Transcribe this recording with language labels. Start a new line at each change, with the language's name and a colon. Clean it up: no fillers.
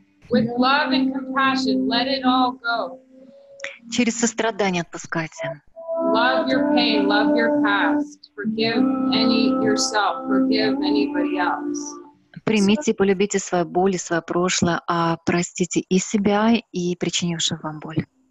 English: With love and compassion, let it all go.
Russian: Через сострадание отпускайте.
English: Love your pain, love your past. Forgive any yourself, forgive anybody else.
Russian: Примите и полюбите свою боль и свое прошлое, а простите и себя, и причинившую вам боль.